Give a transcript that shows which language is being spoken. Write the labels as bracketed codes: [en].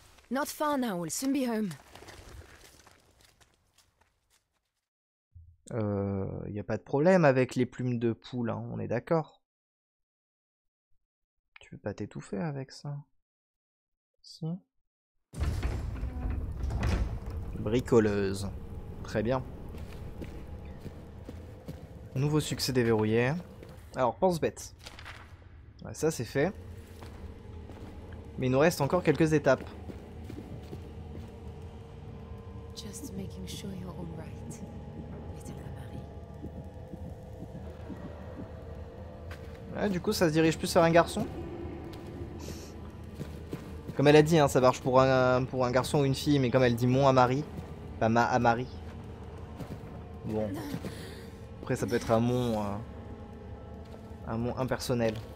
[en] Not far now, we'll soon be home. [fr] Y a pas de problème avec les plumes de poule, hein, on est d'accord. Tu veux pas t'étouffer avec ça? Si. Bricoleuse. Très bien. Nouveau succès déverrouillé. Alors, pense bête. Ouais, ça, c'est fait. Mais il nous reste encore quelques étapes. [en] Just making sure you're all right. [fr] Ouais, du coup, ça se dirige plus vers un garçon. Comme elle a dit, hein, ça marche pour un garçon ou une fille, mais comme elle dit mon Amari, pas ma Amari. Bon. Après, ça peut être un mon impersonnel.